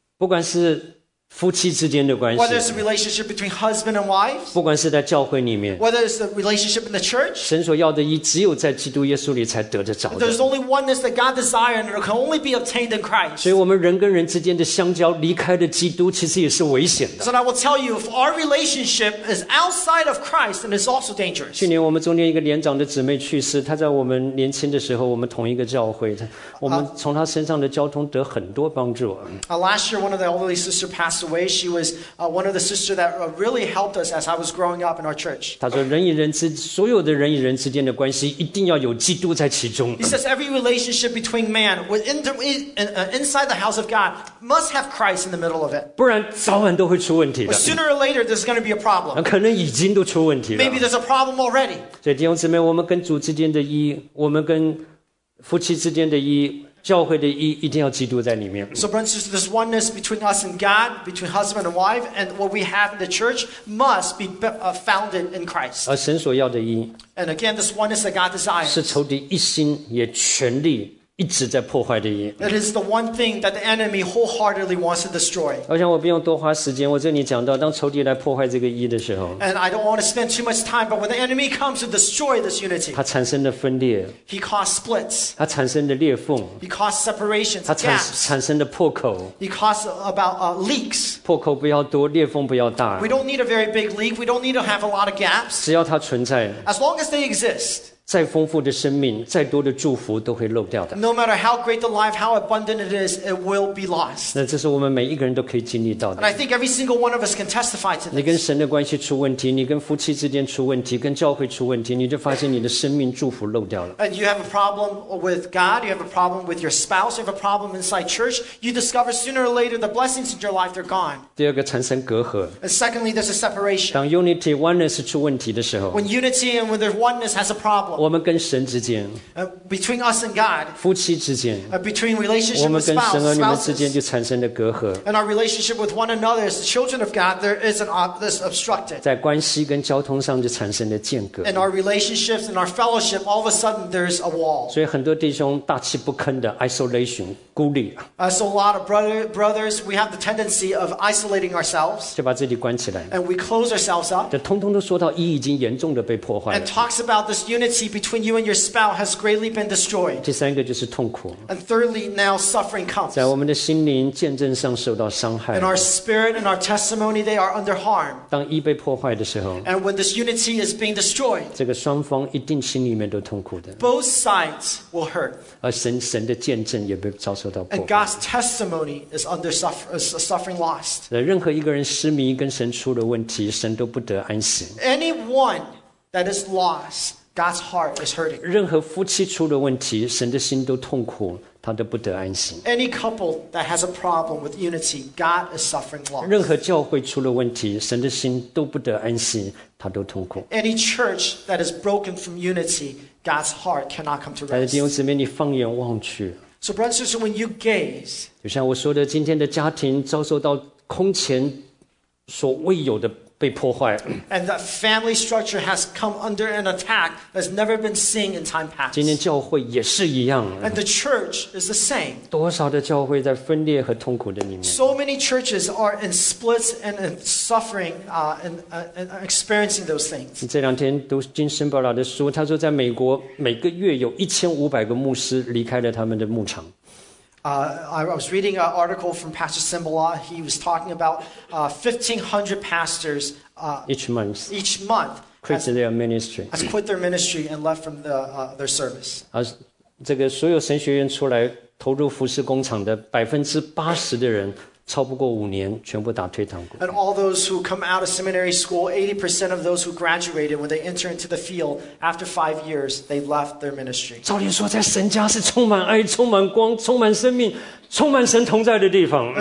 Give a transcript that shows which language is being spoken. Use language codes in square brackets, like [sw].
[zh] 不管是夫妻之间的关系 [en] ，whether it's a relationship between husband and wife， [zh] 不管是在教会里面 [en] ，whether it's a relationship in the church， [zh] 神所要的一只有在基督耶稣里才得得着的。 [en] There's only oneness that God desires and can only be obtained in Christ。 [zh] 所以，我们人跟人之间的相交，离开了基督，其实也是危险的。 [en] So I will tell you, if our relationship is outside of Christ, then it's also dangerous。 [zh] 去年我们中间一个年长的姊妹去世，她在我们年轻的时候，我们同一个教会，我们从她身上的交通得很多帮助。 [en] Last year, one of the elderly sister passed. Away, she was one of the sisters that really helped us as I was growing up in our church. [zh] 他说，人与人之所有的人与人之间的关系，一定要有基督在其中。 [en] He says every relationship between man within inside the house of God must have Christ in the middle of it. [zh] 不然早晚都会出问题的。 [en] Sooner or later, there's going to be a problem. [zh] 可能已经都出问题了。 [en] Maybe there's a problem already. [zh] 所以弟兄姊妹，我们跟主之间的一，我们跟夫妻之间的一。教会的一一定要基督在里面。 [en] So, brothers, this oneness between us and God, between husband and wife, and what we have in the church must be founded in Christ. [zh] 而神所要的一。 [en] And again, this oneness that God desires. [zh] 是仇敌一心也全力一直在破坏的一。 [en] That is the one thing that the enemy wholeheartedly wants to destroy. [zh] 我想我不用多花时间，我这里讲到，当仇敌来破坏这个一的时候。 [en] And I don't want to spend too much time, but when the enemy comes to destroy this unity. [zh] 它产生的分裂。 [en] He caused splits. [zh] 它产生的裂缝。 [en] He caused separations, gaps. [zh] 它产生的破口。 [en] He caused about leaks. [zh] 破口不要多，裂缝不要大。 [en] We don't need a very big leak. We don't need to have a lot of gaps. [zh] 只要它存在。 [en] As long as they exist. [zh] 再丰富的生命，再多的祝福都会漏掉的。 [en] No matter how great the life, how abundant it is, it will be lost. [zh] 那这是我们每一个人都可以经历到的。 [en] And I think every single one of us can testify to this. [zh] 你跟神的关系出问题，你跟夫妻之间出问题，跟教会出问题，你就发现你的生命祝福漏掉了。 [en] And you have a problem with God, you have a problem with your spouse, you have a problem inside church. You discover sooner or later the blessings in your life they're gone. [zh] 第二个产生隔阂。 [en] And secondly, there's a separation. [zh] 当 [en] unity oneness [zh] 出问题的时候 [en] ，When unity and when there's oneness has a problem. problem. [zh] 我们跟神之间。 [en] Between us and God. [zh] 夫妻之间。 [en] Between relationship with spouses. [zh] 我们跟神儿女们之间就产生了隔阂。 [en] And our relationship with one another as the children of God, there is an obstructed. [zh] 在关系跟交通上就产生了间隔。 [en] And our relationships and our fellowship, all of a sudden there's a wall. [zh] 所以很多弟兄大气不吭的 isolation, 孤立。 [en] So a lot of brothers, we have the tendency of isolating ourselves. [zh] 就把自己关起来。 [en] And we close ourselves up. [zh] 这通通都说到一已经严重的被破坏了。 [en] And talks about this unity between you and your spouse has greatly been destroyed. [zh] 第三个就是痛苦。 [en] And thirdly, now suffering comes. [zh] 在我们的心灵见证上受到伤害。 [en] And our spirit and our testimony, they are under harm. [zh] 当一被破坏的时候。 [en] And when this unity is being destroyed. [zh] 这个双方一定心里面都痛苦的。 [en] Both sides will hurt. [zh] 而神的见证也被遭受到破坏。 [en] And God's testimony is under suffering lost. [zh] 任何一个人失迷跟神出了问题，神都不得安息。 [en] Anyone that is lost, God's heart is hurting. [zh] 任何夫妻出了问题，神的心都痛苦，他都不得安心。 [en] Any couple that has a problem with unity, God is suffering loss. [zh] 任何教会出了问题，神的心都不得安心，他都痛苦。 [en] Any church that is broken from unity, God's heart cannot come to rest. [zh] 但是弟兄姊妹，你放眼望去。 [en] So brothers and sisters, when you gaze, [zh] 就像我说的，今天的家庭遭受到空前所未有的。被破坏。 [en] And the family structure has come under an attack that's never been seen in time past. [zh] 今天教会也是一样。 [en] And the church is the same. [zh] 多少的教会在分裂和痛苦的里面。 [en] So many churches are in splits and in suffering, and experiencing those things. [zh] 这两天读金森伯拉的书，他说在美国每个月有1500个牧师离开了他们的牧场。 [en] I was reading an article from Pastor Cimbala. He was talking about 1,500 pastors each month quit their ministry. Has quit their ministry and left from their service. [zh] 这个所有神学院出来投入服事工厂的80%的人，超不过五年全部打退堂鼓。 [en] And all those who come out of seminary school, 80% of those who graduated when they enter into the field after 5 years, they left their ministry. [zh] 照理说，在神家是充满爱、充满光、充满生命、充满神同在的地方。